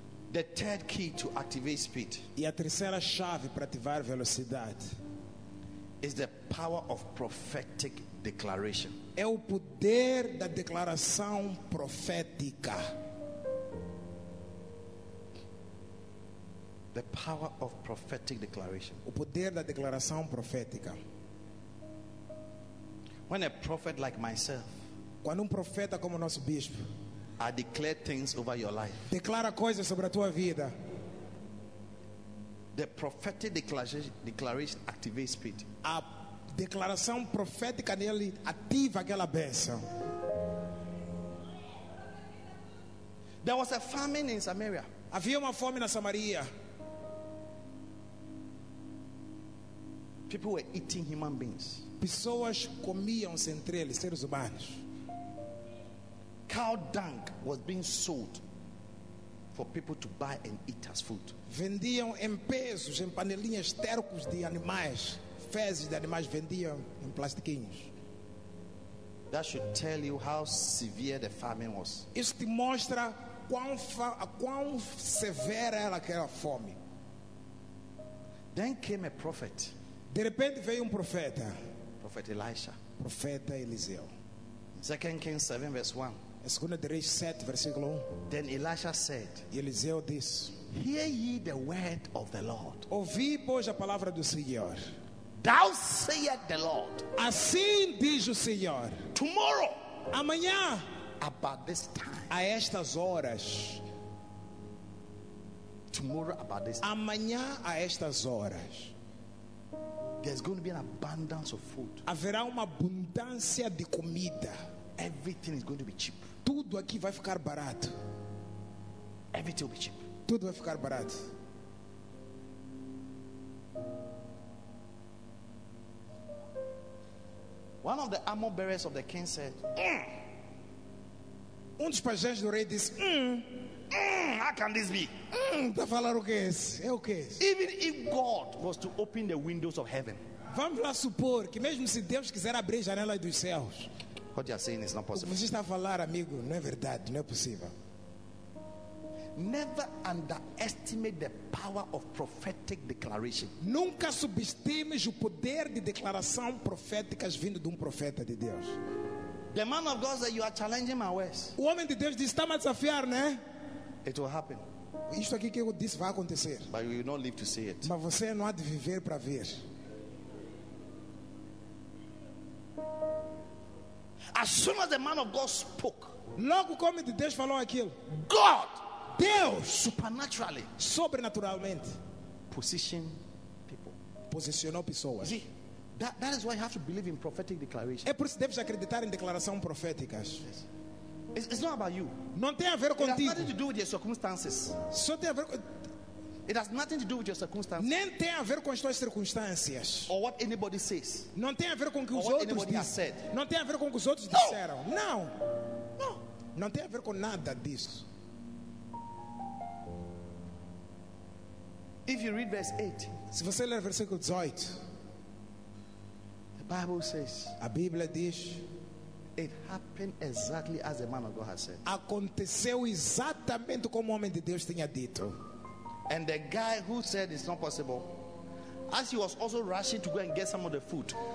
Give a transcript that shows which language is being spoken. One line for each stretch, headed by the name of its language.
English: The third key to activate speed.
Portuguese: E a terceira chave para ativar velocidade
English: is the power of prophetic declaration.
Portuguese: É o poder da declaração profética.
English: The power of prophetic declaration.
Portuguese: O poder da declaração profética.
English: When a prophet like myself,
Portuguese: quando profeta como o nosso bispo,
English: I declare things over your life.
Portuguese: Declara coisas sobre a tua vida.
English: The prophetic declaration activates spirit.
Portuguese: A declaração profética nele ativa aquela bênção.
English: There was a famine in Samaria.
Portuguese: Havia uma fome na Samaria.
English: People were eating human beings.
Portuguese: Pessoas comiam entre eles, seres humanos.
English: Cow dung was being sold for people to buy and eat as food.
Portuguese: Vendiam em pesos, em panelinhas, tercos de animais, fezes de animais, vendiam em plastiquinhos.
English: That should tell you how severe the famine was.
Portuguese: Isso te mostra quão severa era aquela fome.
English: Then came a prophet.
Portuguese: De repente veio profeta.
English: Prophet Elisha.
Portuguese: Profeta Eliseu.
English: 2 Kings 7 verse 1.
Portuguese: 2 Reis 7 versículo 1.
English: Then Elisha said,
Portuguese: Eliseu disse,
English: "Hear ye the word of the Lord."
Portuguese: Ouvi, pois, a palavra do Senhor.
English: "Thou sayest the Lord."
Portuguese: Assim diz o Senhor.
English: "Tomorrow."
Portuguese: Amanhã.
English: "About this time."
Portuguese: A estas horas.
English: "Tomorrow about this time."
Portuguese: Amanhã a estas horas.
English: There's going to be an abundance of food.
Portuguese: Haverá uma abundância de comida.
English: Everything is going to be cheap.
Portuguese: Tudo aqui vai ficar barato.
English: Everything will be cheap.
Portuguese: Tudo vai ficar barato.
English: One of the armor bearers of the king said,
Portuguese: "Um dos pajés do rei disse,
English: how can this be?
Portuguese: Tá falando o que é esse? É o que é esse?
English: Even if God was to open the windows of heaven."
Portuguese: Vamos lá supor que mesmo se Deus quiser abrir janelas dos céus.
English: What you are saying is not possible.
Portuguese: Você está a falar, amigo, não é verdade, não é possível.
English: Never underestimate the power of prophetic declaration.
Portuguese: Nunca subestime o poder de declaração proféticas vindo de profeta de Deus.
English: The man of God said, "You are challenging my words."
Portuguese: O homem de Deus disse, está a desafiar, né?
English: It will happen.
Portuguese: Isto aqui que eu disse vai acontecer.
English: But you will not live to see it.
Portuguese: Mas você não há de viver para ver.
English: As soon as the man of God spoke,
Portuguese: logo como de Deus falou aquilo,
English: God,
Portuguese: Deus,
English: supernaturally,
Portuguese: sobrenaturalmente,
English: positioned people,
Portuguese: posicionou pessoas.
English: See, That is why you have to believe in prophetic declarations.
Portuguese: É por isso que deves acreditar em declarações proféticas.
English: Yes. It's not about you.
Portuguese: Não tem a ver contigo.
English: It has nothing to do with your circumstances.
Portuguese: Só tem a ver com...
English: It has nothing to do with your circumstances.
Portuguese: Nem tem a ver com as tuas circunstâncias.
English: Or what anybody says.
Portuguese: Não tem a ver com o que
English: or
Portuguese: os outros disseram. Não tem a ver com o que os outros
English: no!
Portuguese: disseram. Não.
English: No.
Portuguese: Não tem a ver com nada disso.
English: If you read verse 8,
Portuguese: se você ler o versículo 18,
English: the Bible says,
Portuguese: a Bíblia diz,
English: it happened exactly as the man of God has said.
Portuguese: Aconteceu exatamente como o homem de Deus tinha dito.
English: And the guy who said it's not possible, as he was also rushing to go and get some of the food.